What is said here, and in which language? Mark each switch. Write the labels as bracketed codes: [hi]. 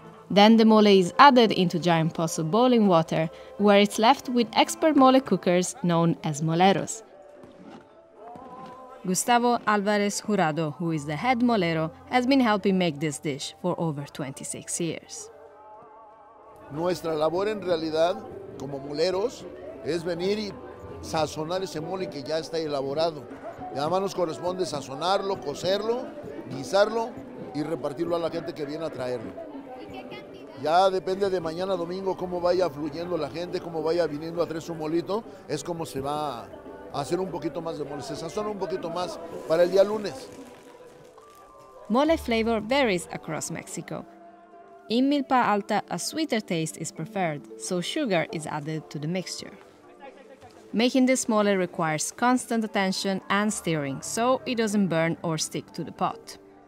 [en] Then the mole is added into giant pots of boiling water, where it's left with expert mole cookers known as moleros. Gustavo Alvarez Jurado, who is the head molero, has been helping make this dish for over 26 years. [es] Nuestra labor en realidad como moleros es venir y sazonar ese mole que ya está elaborado. Y además nos corresponde sazonarlo, cocerlo, guisarlo y repartirlo a la gente que viene a traerlo. Ya depende de mañana domingo cómo vaya fluyendo la gente, cómo vaya viniendo a traer su molito, es como se va hacer un poquito más de mole, se sazona un poquito más para el día lunes. [en] Mole flavor varies across Mexico. In Milpa Alta, a sweeter taste is preferred, so sugar is added to the mixture. Making this mole requires constant attention and stirring, so it doesn't burn or stick to the pot.